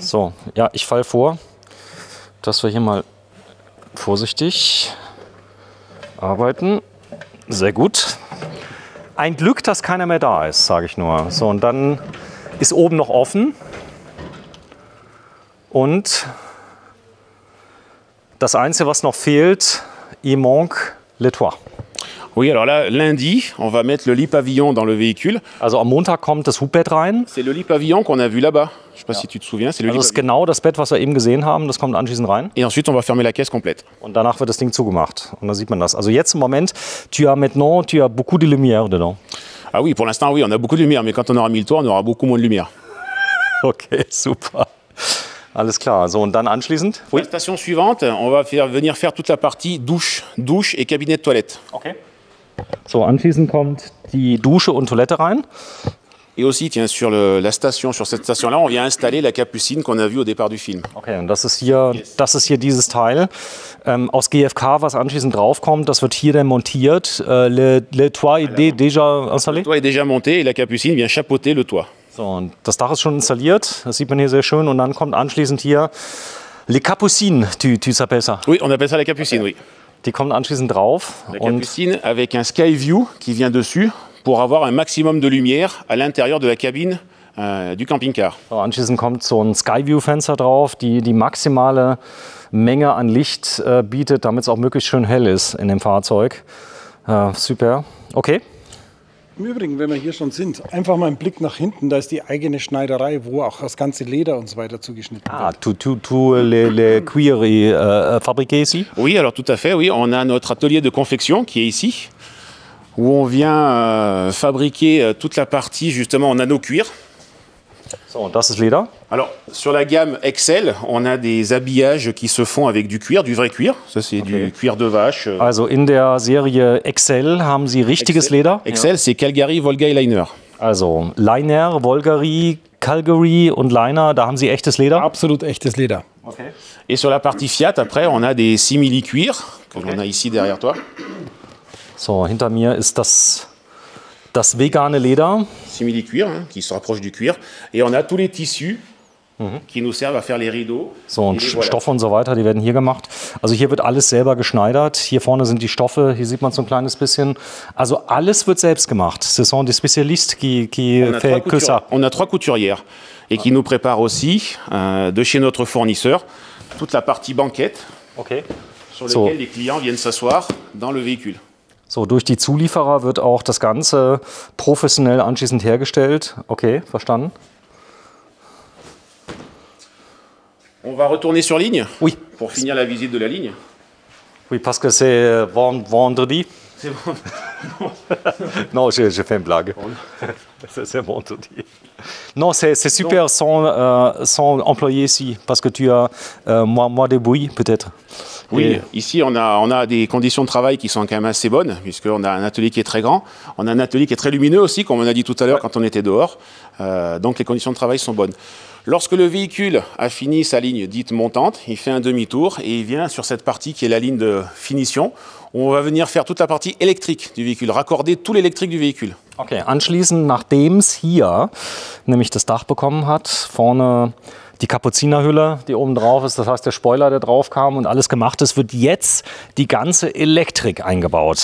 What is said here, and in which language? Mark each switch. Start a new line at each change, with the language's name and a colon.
German: So, ja, ich falle vor, dass wir hier mal vorsichtig arbeiten. Sehr gut. Ein Glück, dass keiner mehr da ist, sage ich nur. So, und dann ist oben noch offen. Und das Einzige, was noch fehlt,
French: il manque le toit. Oui, alors là, lundi, on va mettre le lit pavillon dans le véhicule.
German: Also am Montag kommt das Hubbett rein.
French: C'est le lit pavillon qu'on a vu là-bas. Je sais pas si tu te souviens. C'est le lit pavillon.
German: Genau das Bett, was wir eben gesehen haben, das kommt anschließend rein.
French: Et ensuite, on va fermer la caisse complète.
German: Und danach wird das Ding zugemacht. Und dann sieht man das. Also jetzt im Moment,
French: tu as beaucoup de lumière dedans. Ah oui, pour l'instant, oui, on a beaucoup de lumière. Mais quand on aura mis le toit, on aura beaucoup moins de lumière.
German: Okay, super. Alles klar. So, und dann anschließend?
French: Oui. La station suivante, on va venir faire toute la partie douche et cabinet de toilette. Okay.
German: So, anschließend kommt die Dusche und Toilette rein.
French: Et aussi, tiens, sur la station, sur cette station-là, on vient installer la capucine qu'on a vue au départ du film.
German: Okay, und das ist hier dieses Teil aus GFK, was anschließend draufkommt. Das wird hier dann montiert.
French: Le toit est déjà installé? Le toit est déjà monté et la capucine vient chapeauter le toit.
German: So, und das Dach ist schon installiert. Das sieht man hier sehr schön. Und dann kommt anschließend hier
French: les capucines, tu s'appelles ça? Oui, on appelle ça les capucines, okay. Oui.
German: Die kommen anschließend drauf. Eine
French: Capucine avec un sky view qui vient dessus pour avoir un maximum de lumière à l'intérieur de la cabine du camping-car.
German: So, anschließend kommt so ein Skyview-Fenster drauf, die maximale Menge an Licht bietet, damit es auch möglichst schön hell ist in dem Fahrzeug. Super. Okay. Im Übrigen, wenn wir hier schon sind, einfach mal einen Blick nach hinten. Da ist die eigene Schneiderei, wo auch das ganze Leder und so weiter zugeschnitten wird.
French: Ah, tu le cuir fabriqué ici? Oui, alors tout à fait. Oui, on a notre atelier de confection qui est ici, où on vient fabriquer toute la partie justement en nano cuir.
German: So, das ist Leder.
French: Alors, sur la gamme XL, on a des habillages qui se font avec du cuir, du vrai cuir. Ça, c'est okay. Du cuir de vache.
German: Also, in der Serie XL haben Sie richtiges XL. Leder? XL, ja.
French: C'est Calgary, Volga et Liner.
German: Also, Liner, Volgary, Calgary und Liner, da haben Sie echtes Leder? Absolut echtes Leder. Okay.
French: Et sur la partie Fiat, après, on a des simili-cuir, que l'on a ici derrière toi.
German: So, hinter mir ist das vegane Leder.
French: Simili-cuir, hein, qui se rapproche du cuir. Et on a tous les tissus Die nous servent à faire les rideaux.
German: So, und Stoffe und so weiter, die werden hier gemacht. Also hier wird alles selber geschneidert. Hier vorne sind die Stoffe, hier sieht man so ein kleines bisschen. Also alles wird selbst gemacht.
French: Ce sont des spécialistes qui fait que ça. On a trois couturières et qui nous préparent aussi de chez notre fournisseur toute la partie banquette. Okay. Sur lesquelles les clients viennent s'asseoir dans le véhicule.
German: So, durch die Zulieferer wird auch das Ganze professionell anschließend hergestellt. Okay, verstanden.
French: On va retourner sur ligne. Oui. Pour finir la visite de la ligne. Oui, parce que c'est vendredi. C'est vendredi. Non, je fais une blague. C'est vendredi. Non, c'est super sans employé ici, parce que tu as moins de bruit, peut-être. Oui, ici, on a des conditions de travail qui sont quand même assez bonnes, puisqu'on a un atelier qui est très grand. On a un atelier qui est très lumineux aussi, comme on a dit tout à l'heure quand on était dehors. Donc, les conditions de travail sont bonnes. Lorsque le véhicule a fini sa ligne dite montante, il fait un demi-tour et il vient sur cette partie qui est la ligne de finition. On va venir faire toute la partie électrique du véhicule, raccorder tout l'électrique du véhicule.
German: Ok, anschließend, nachdem es hier nämlich das Dach bekommen hat, vorne die Kapuzinerhülle, die oben drauf ist, das heißt der Spoiler, der drauf kam und alles gemacht ist, wird jetzt die ganze Elektrik eingebaut.